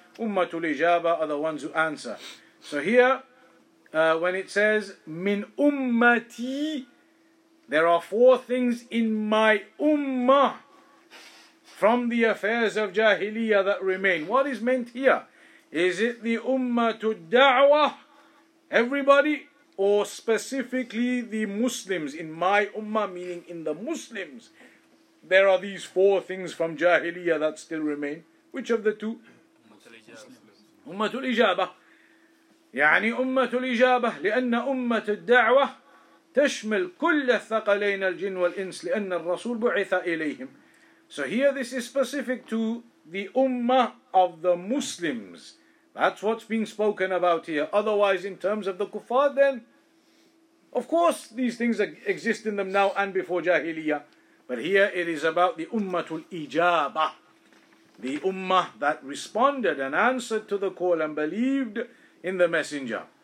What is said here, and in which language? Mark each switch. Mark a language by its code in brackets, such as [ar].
[en] Ummatul Ijaba are the ones who answer. So here, when it says, Min Ummati, there are 4 things in my Ummah from the affairs of Jahiliyyah that remain. What is meant here? Is it the Ummatul Da'wah, everybody, or specifically the Muslims? In my Ummah, meaning in the Muslims, there are these 4 things from Jahiliyyah that still remain. Which of the two? Ummatul Ijabah. [ar] يعني أمة الإجابة لأن أمة الدعوة تشمل كل الثقلين الجن والإنس لأن الرسول بعث إليهم. [en] So here this is specific to the Ummah of the Muslims. That's what's being spoken about here. Otherwise, in terms of the Kuffar, then of course these things exist in them now and before Jahiliyyah. But here it is about the Ummatul Ijaba, the Ummah that responded and answered to the call and believed in the messenger.